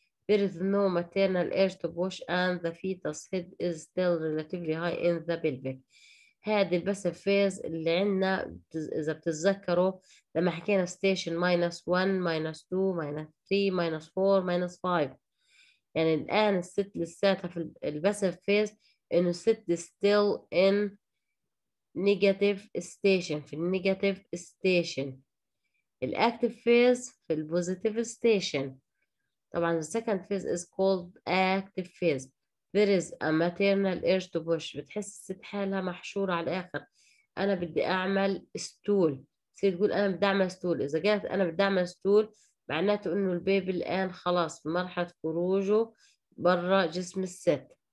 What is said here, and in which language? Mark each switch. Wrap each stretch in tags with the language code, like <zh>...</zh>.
<en>There is no maternal urge to push and the fetus head is still relatively high in the pelvic.</en> <ar>هذه ال passive phase اللي عندنا إذا بتتذكروا لما حكينا station minus 1 minus 2 minus 3 minus 4 minus 5، يعني الآن الست لساتها في ال passive phase، إنه الست</ar> <en>still in negative station،</en> <ar>في negative station. ال active phase في ال positive station. طبعا</ar> <en>the second phase is called active phase. There is a maternal urge to push.</en> <ar>بتحس الست حالها محشورة على الآخر، أنا بدي أعمل stool. تصير تقول أنا بدي أعمل stool. إذا قالت أنا بدي أعمل stool معناته إنه البيبي الآن خلاص في مرحلة خروجه برا جسم الست.</ar>